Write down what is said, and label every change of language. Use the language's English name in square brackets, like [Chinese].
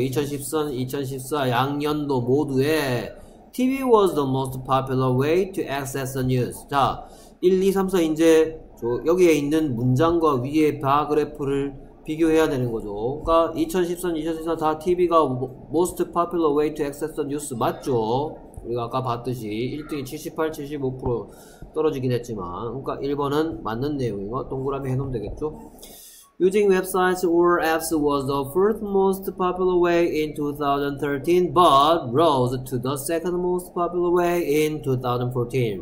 [English] 2013, 2014 [Korean] 양년도 모두에 [English] TV was the most popular way to access the news. [Korean] 자, 1, 2, 3, 4 이제 저 여기에 있는 문장과 위에 바 그래프를 비교해야 되는 거죠. 그러니까 [English] 2013, 2014다 TV가 most popular way to access the news [Korean] 맞죠? 우리가 아까 봤듯이 1등이 78, 75% 떨어지긴 했지만, 그러니까 1번은 맞는 내용이고 동그라미 해놓으면 되겠죠? [English] Using websites or apps was the first most popular way in 2013, but rose to the second most popular way in 2014.